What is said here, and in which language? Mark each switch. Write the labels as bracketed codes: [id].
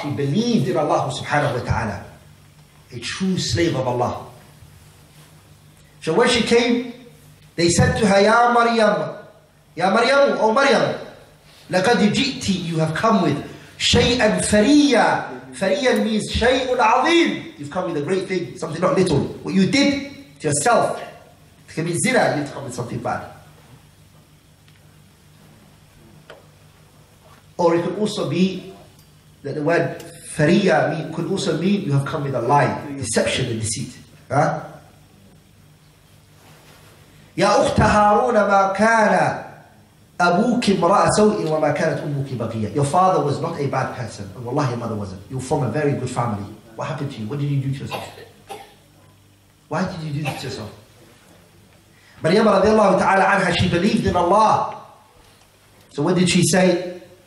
[en] She believed in Allah subhanahu wa ta'ala. A true slave of Allah. So when she came, they said to her, ya Maryam, oh Maryam, [ar] لَقَدْ جِئْتِ, [en] you have come with [ar] شَيْئًا فَرِيًّا. فَرِيًّا [en] means [ar] شَيْءٌ عَظِيمٌ. [en] You've come with a great thing, something not little. What you did to yourself, it can be zina, you've come with something bad. Or it could also be that the word فَرِيًّا mean, could also mean you have come with a lie, deception and deceit. Huh? [ar] يا أخت هارون ما كان أبوك امرأ سوء وما كانت أمك بغية. [en] Your father was not a bad person, and wallahi your mother wasn't. You're from a very good family. What happened to you? What did you do to yourself? Why did you do this to yourself? Maryam [ar] رضي الله تعالى عنها, [en] she believed in Allah. So what did she say?